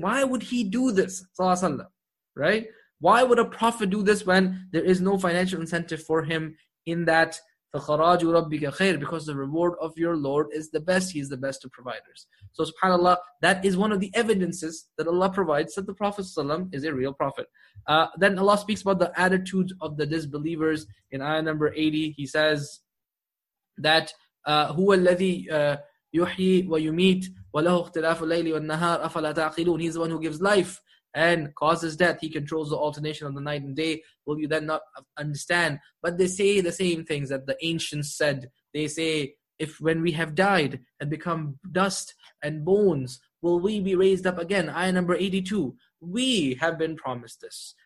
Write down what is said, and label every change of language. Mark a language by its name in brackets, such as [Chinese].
[English] Why would he do this? Sallallahu alayhi wa sallam, right? Why would a prophet do this when there is no financial incentive for him in that? [Arabic] فَخَرَاجُ رَبِّكَ خَيْرٍ, [English] because the reward of your Lord is the best. He is the best of providers. So subhanAllah, that is one of the evidences that Allah provides that the Prophet ﷺ is a real prophet. Then Allah speaks about the attitudes of the disbelievers. In ayah number 80, he says that [Arabic] هُوَ الَّذِي يُحْيِي وَيُمِيتُ وَلَهُ اخْتِلَافُ اللَّيْلِ وَالنَّهَارِ أَفَلَا تَعْقِلُونَ. [English] He's the one who gives life and causes death. He controls the alternation of the night and day. Will you then not understand? But they say the same things that the ancients said. They say, if when we have died and become dust and bones, will we be raised up again? Ayah number 82. We have been promised this.